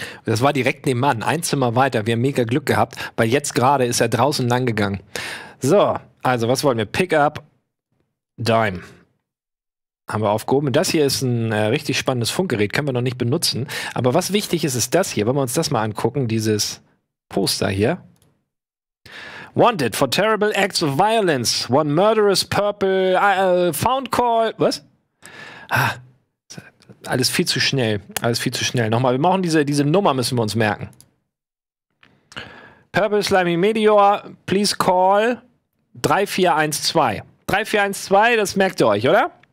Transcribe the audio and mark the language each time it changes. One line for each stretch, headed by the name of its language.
German: Das war direkt nebenan, ein Zimmer weiter. Wir haben mega Glück gehabt, weil jetzt gerade ist er draußen lang gegangen. So, also was wollen wir? Pickup, Dime. Haben wir aufgehoben. Das hier ist ein richtig spannendes Funkgerät. Können wir noch nicht benutzen. Aber was wichtig ist, ist das hier. Wollen wir uns das mal angucken, dieses Poster hier.
English: Wanted for terrible acts of violence. One murderous purple found call.
German: Was? Ah, alles viel zu schnell. Alles viel zu schnell. Nochmal, wir machen diese Nummer, müssen wir uns merken.
English: Purple slimy meteor, please call 3412.
German: 3412, das merkt ihr euch, oder?